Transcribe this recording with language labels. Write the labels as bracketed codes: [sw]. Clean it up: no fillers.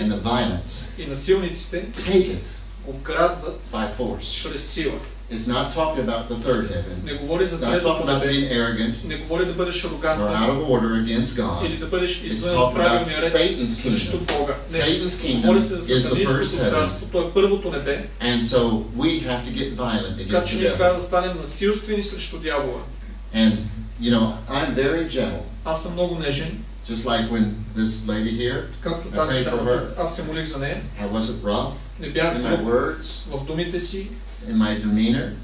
[en] And the violence. [bg] И насилниците. [en] Take it. [bg] Украдват. [en] By force. [bg] Чрез сила. [en] It's not talking about the third heaven. [bg] Не говори за третото небе. [en] It's not talking about being arrogant. [bg] Не говори да бъдеш арогантен. [en] Or out of order against God. [bg] Или да бъдеш извън правилния ред. [en] Satan's kingdom. [bg] Бога. [en] Satan's kingdom is the first heaven. [bg] Той е първото небе. [en] And so we have to get violent against the devil. [bg] Така че ние трябва да станем насилствени срещу дявола. [en] And you know, I'm very gentle. [bg] Аз съм много нежен. [en] Just like when this lady here. [bg] Както тази дама. Аз се молих за нея. [en] I wasn't rough. [bg] Не бях груб. [en] In my words. [bg] В думите си. [en] In my demeanor,